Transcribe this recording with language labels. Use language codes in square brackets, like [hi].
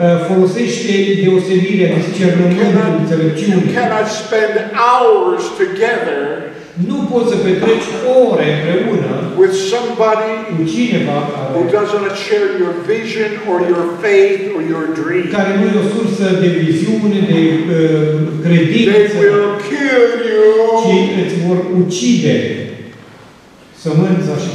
[ro] Folosește deosebirea, discernământul, înțelepciunea. Nu poți să petreci ore împreună [en] with somebody [ro] cu cineva [en] who doesn't share your vision or your faith or your dream. [ro] Care nu e o sursă de viziune, de credință. [en] They will kill you. [ro] Ci îți vor ucide sămânța și